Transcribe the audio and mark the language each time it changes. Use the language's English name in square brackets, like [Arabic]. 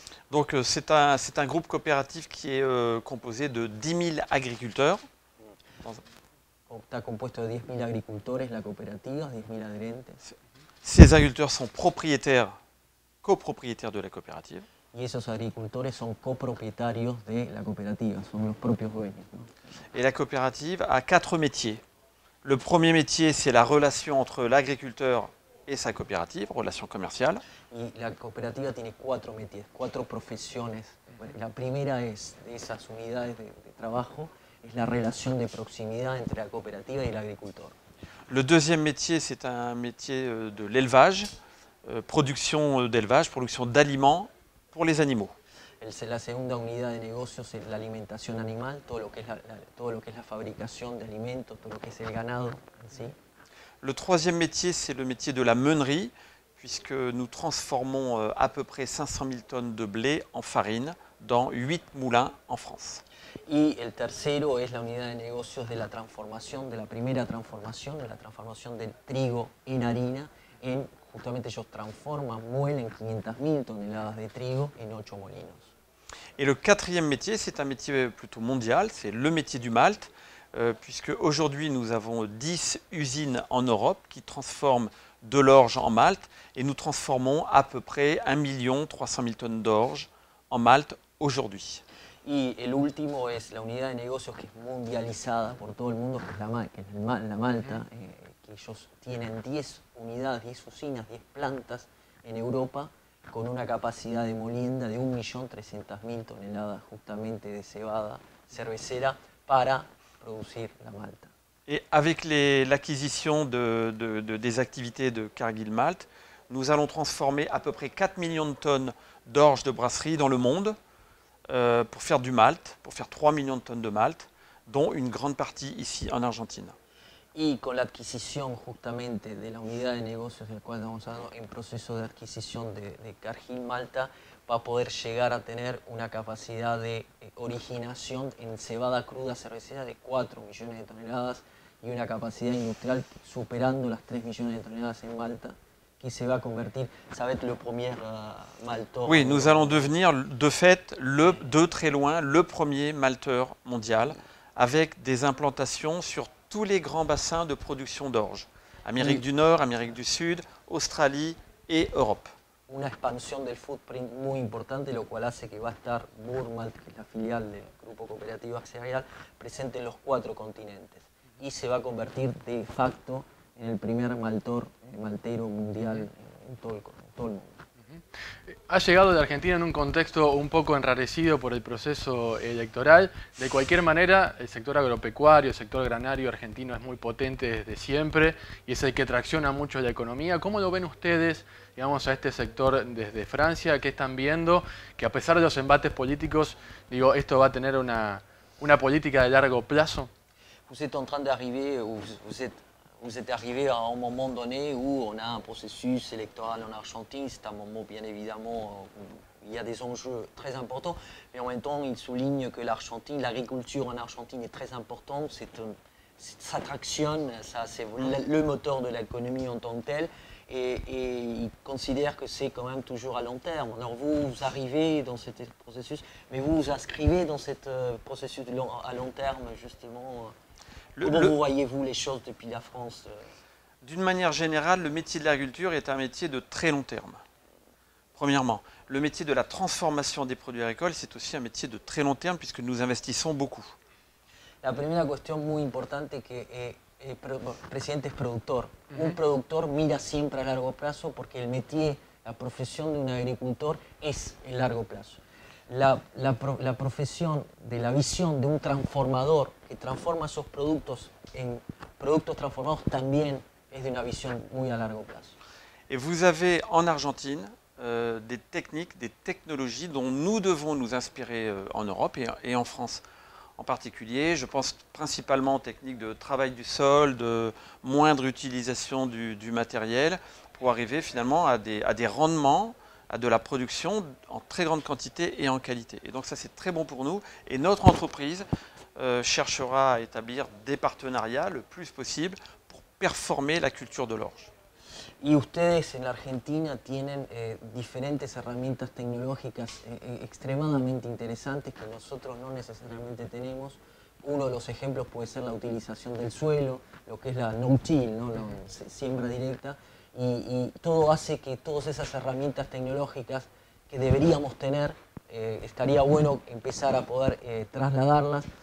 [French] Donc c'est un groupe coopératif qui est composé de 10 000 agriculteurs. [Spanish] Está compuesto de 10 000 [French] agriculteurs, la coopérative, 10 000 adhérents. Ces agriculteurs sont propriétaires, copropriétaires de la coopérative. [Spanish] Y esos agricultores son copropietarios de la cooperativa, son los propios dueños. [French] Et la coopérative a quatre métiers. Le premier métier, c'est la relation entre l'agriculteur et sa coopérative, relation commerciale. [Spanish] Y la cooperativa tiene cuatro métiers, cuatro profesiones. La primera es de esas unidades de trabajo, es la relación de proximidad entre la cooperativa y el agricultor. [French] Le deuxième métier, c'est un métier de l'élevage, production d'élevage, production d'aliments pour les animaux. [Spanish] La segunda unidad de negocios es la alimentación animal, todo lo que es la fabricación de alimentos, todo lo que es el ganado. ¿Sí? [French] Le troisième métier, c'est le métier de la meunerie, puisque nous transformons à peu près 500 000 tonnes de blé en farine dans 8 moulins en France. Et le [Spanish] tercero es la unidad de negocios de la transformación, de la primera transformación, de la transformación del trigo en harina, en justamente ellos transforman, muelen 500 000 toneladas de trigo en 8 molinos. [French] Et le quatrième métier, c'est un métier plutôt mondial, c'est le métier du malt, puisque aujourd'hui nous avons 10 usines en Europe qui transforment de l'orge en malt, et nous transformons à peu près 1 300 000 tonnes d'orge en malt aujourd'hui. Et le [Spanish] último est la unidad de negocios [French] qui est mondialisée par tout le monde, [Spanish] que est la Malta, [French] qui [Spanish] tienen 10 unidades, 10 usines, 10 plantas en Europe. Con una capacidad de molienda de 1.300.000 toneladas justamente de cebada cervecera para producir la malta. [French] Et avec l'acquisition des activités de Cargill Malt, nous allons transformer à peu près 4 millions de tonnes d'orge de brasserie dans le monde pour faire du malt, pour faire 3 millions de tonnes de malt, dont une grande partie ici en Argentine. [Spanish] Y con la adquisición justamente de la unidad de negocios del cual estamos hablando, en proceso de adquisición de Cargill Malta, va a poder llegar a tener una capacidad de originación en cebada cruda cervecera de 4 millones de toneladas y una capacidad industrial superando las 3 millones de toneladas en Malta, que se va a convertir, [French] ça va être le premier malteur. Oui, nous allons devenir de fait, de très loin, le premier malteur mondial avec des implantations sur tous les grands bassins de production d'orge. Amérique du Nord, Amérique du Sud, Australie et Europe. Une expansion du footprint très importante, [Spanish] lo cual hace que va estar [French] Burmalt, qui est la filiale du groupe coopératif Axerial, présente [Spanish] en los 4 continentes. [French] Et [Spanish] se va a convertir de facto en el primer maltero mundial en todo el mundo. Ha llegado la Argentina en un contexto un poco enrarecido por el proceso electoral. De cualquier manera, el sector agropecuario, el sector granario argentino es muy potente desde siempre y es el que tracciona mucho la economía. ¿Cómo lo ven ustedes, digamos, a este sector desde Francia? ¿Qué están viendo? Que a pesar de los embates políticos, digo, esto va a tener una política de largo plazo. [French] Vous êtes en train d'arriver, vous êtes arrivé à un moment donné où on a un processus électoral en Argentine, c'est un moment bien évidemment il y a des enjeux très importants, mais en même temps, il souligne que l'Argentine, l'agriculture en Argentine est très importante, ça tractionne, c'est le moteur de l'économie en tant que tel, et il considère que c'est quand même toujours à long terme. Alors vous arrivez dans ce processus, mais vous vous inscrivez dans ce processus à long terme, justement. Comment voyez-vous les choses depuis la France ? D'une manière générale, le métier de l'agriculture est un métier de très long terme. Premièrement, le métier de la transformation des produits agricoles, c'est aussi un métier de très long terme puisque nous investissons beaucoup. La première question [Spanish] muy importante que el presidente es productor. Un productor mira siempre a largo plazo porque el métier, la profesión de un agricultor es el largo plazo. La profesión de la visión de un transformador que transforma esos productos en productos transformados también es de una visión muy a largo plazo. [French] Y vous avez en Argentina des techniques, des technologies dont nous devons nous inspirer en Europe et en France en particulier. Je pense principalement aux techniques de travail du sol, de moindre utilisation du matériel pour arriver finalement à des rendements, à de la production en très grande quantité et en qualité. Et donc ça, c'est très bon pour nous. Et notre entreprise cherchera à établir des partenariats le plus possible pour performer la culture de l'orge. [Spanish] Y ustedes en la Argentina tienen diferentes herramientas tecnológicas extremadamente interesantes que nosotros no necesariamente tenemos. Uno de los ejemplos puede ser la utilización del suelo, lo que es la no-till, ¿no? La siembra directa. Y todo hace que todas esas herramientas tecnológicas que deberíamos tener, estaría bueno empezar a poder trasladarlas.